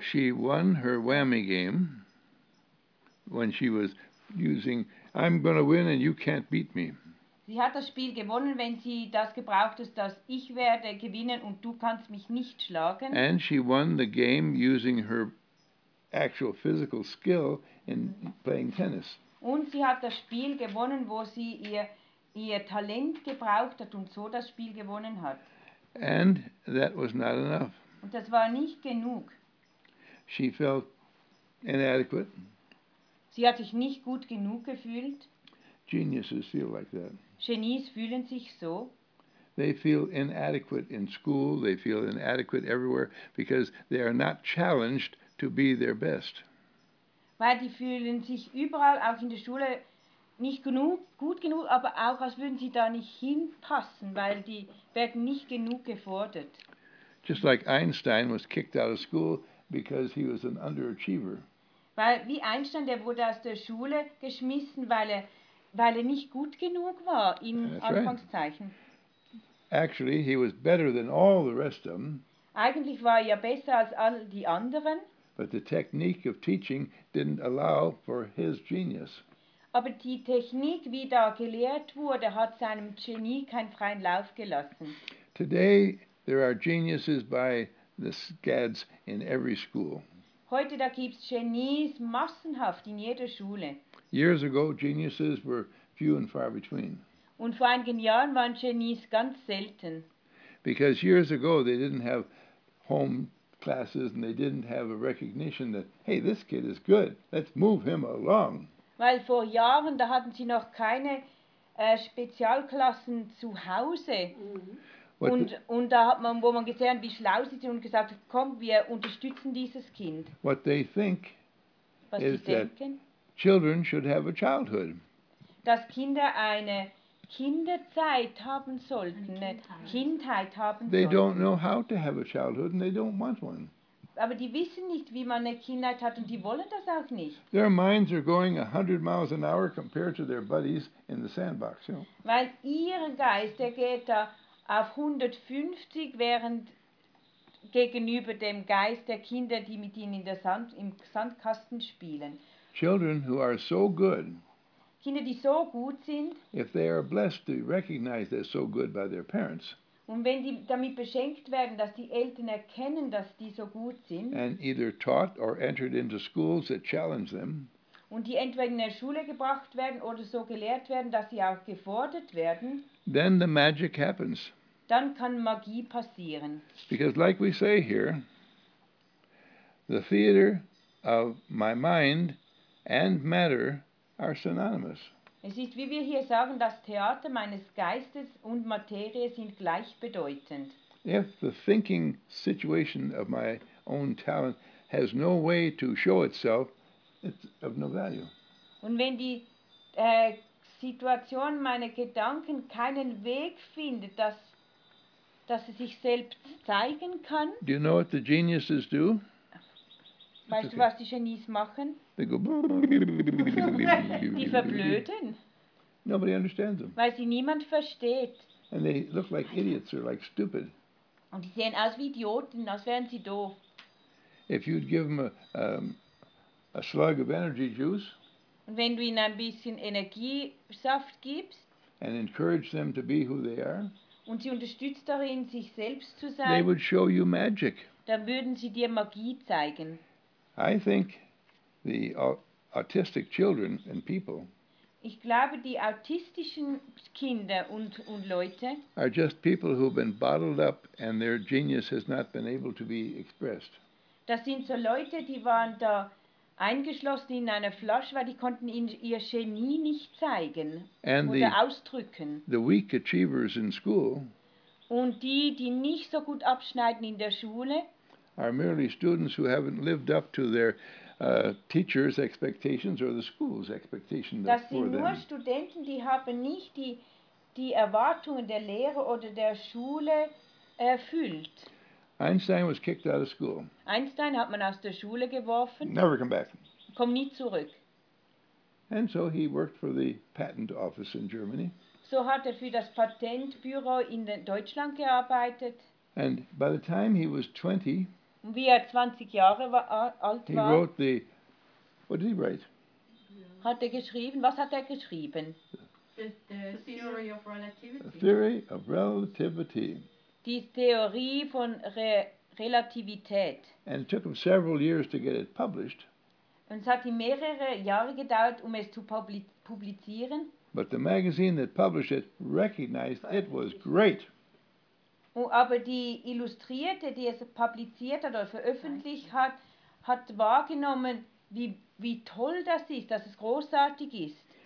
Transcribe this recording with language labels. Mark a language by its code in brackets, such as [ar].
[en] she won her whammy game when she was using I'm gonna win and you can't beat me. [de] Sie hat das Spiel gewonnen, wenn sie das gebraucht hat, dass ich werde gewinnen und du kannst mich nicht schlagen. [en] And she won the game using her actual physical skill in playing tennis. [de] Und sie hat das Spiel gewonnen, wo sie ihr Talent gebraucht hat und so das Spiel gewonnen hat. [en] And that was not enough. [de] Und das war nicht genug. [en] She felt inadequate. [de] Sie hat sich nicht gut genug gefühlt. [en] Geniuses feel like that. [de] Genies fühlen sich so. [en] They feel inadequate in school, they feel inadequate everywhere because they are not challenged to be their best. [de] Weil die fühlen sich überall, auch in der Schule, nicht genug, gut genug, aber auch als würden sie da nicht hinpassen, weil die werden nicht genug gefordert. [en] Just like Einstein was kicked out of school because he was an underachiever. [de] Weil wie Einstein, der wurde aus der Schule geschmissen, weil er nicht gut genug war in Anführungszeichen. [en] Actually, he was better than all the rest of them. [de] Eigentlich war er besser als all die anderen. [en] But the technique of teaching didn't allow for his genius. [de] Aber die Technik, wie da gelehrt wurde, hat seinem Genie keinen freien Lauf gelassen. [en] Today there are geniuses by the scads in every school. [de] Heute da gibt's Genies massenhaft in jeder Schule. [en] Years ago geniuses were few and far between. [de] Und vor einigen Jahren waren Genies ganz selten. [en] Because years ago they didn't have home classes and they didn't have a recognition that hey, this kid is good, let's move him along. [de] Weil vor Jahren da hatten sie noch keine Spezialklassen zu Hause. Mm-hmm. Und da hat man, wo man gesehen, wie schlau sie sind und gesagt, komm, wir unterstützen dieses Kind. [en] What they think was is [de] sie denken, [en] that children should have a childhood. [de] Dass Kinder eine Kinderzeit haben sollten, eine Kindheit haben sollten. [en] They don't know how to have a childhood and they don't want one. [de] Aber die wissen nicht, wie man eine Kindheit hat und die wollen das auch nicht. [en] Their minds are going 100 miles an hour compared to their buddies in the sandbox, you know. [de] Weil ihr Geist, der geht da auf 150 während gegenüber dem Geist der Kinder, die mit ihnen im Sandkasten spielen. [en] Children who are so good. [de] Kinder, die so gut sind. [en] If they are blessed to recognize they're so good by their parents. [de] Und wenn die damit beschenkt werden, dass die Eltern erkennen, dass die so gut sind. [en] And either taught or entered into schools that challenge them. [de] Und die entweder in der Schule gebracht werden oder so gelehrt werden, dass sie auch gefordert werden. [en] Then the magic happens. [de] Dann kann Magie passieren. [en] Because like we say here, the theater of my mind and matter are synonymous. [de] Es ist, wie wir hier sagen, das Theater meines Geistes und Materie sind gleichbedeutend. [en] If the thinking situation of my own talent has no way to show itself, it's of no value. [de] Und wenn die Situation meiner Gedanken keinen Weg findet, dass es sich selbst zeigen kann. [en] Do you know what the geniuses do? [de] Weißt du, was die Genies machen? [en] They go [de] die verblöden. [en] Nobody understands them. [de] Weil sie niemand versteht. [en] And they look like idiots or like stupid. [de] Und die sehen aus wie Idioten, als wären sie doof. [en] If you'd give them a slug of energy juice. [de] Und wenn du ihnen ein bisschen Energiesaft gibst. [en] And encourage them to be who they are. [de] Und sie unterstützt darin, sich selbst zu sein. [en] They would show you magic. [de] Dann würden sie dir Magie zeigen. [en] I think the autistic children and people. [de] Ich glaube, die autistischen Kinder und Leute. [en] Are just people who've been bottled up and their genius has not been able to be expressed. [de] Das sind so Leute, die waren da eingeschlossen in einer Flasche, weil die konnten ihr Genie nicht zeigen [en] and [de] oder ausdrücken. [en] The weak achievers in school. [de] Und die nicht so gut abschneiden in der Schule. [en] Are merely students who haven't lived up to their teachers' expectations or the school's expectations for them. [de] Das sind nur Studenten, die haben nicht die Erwartungen der Lehrer oder der Schule erfüllt. [en] Einstein was kicked out of school. [de] Einstein hat man aus der Schule geworfen. [en] Never come back. [de] Kommt nie zurück. [en] And so he worked for the patent office in Germany. [de] So hat für das Patentbüro in Deutschland gearbeitet. [en] And by the time he was 20, [de] wie er 20 Jahre alt war, [en] what did he write? [de] Hat er geschrieben, was hat er geschrieben? [en] The theory of relativity. [de] Die Theorie von Relativität. [en] And it took him several years to get it published. [de] Und es hat ihm mehrere Jahre gedauert, um es zu publizieren. [en] But the magazine that published it recognized it was great. [de] Aber die Illustrierte, die es publiziert hat oder veröffentlicht hat, hat wahrgenommen, wie toll das ist, dass es großartig ist.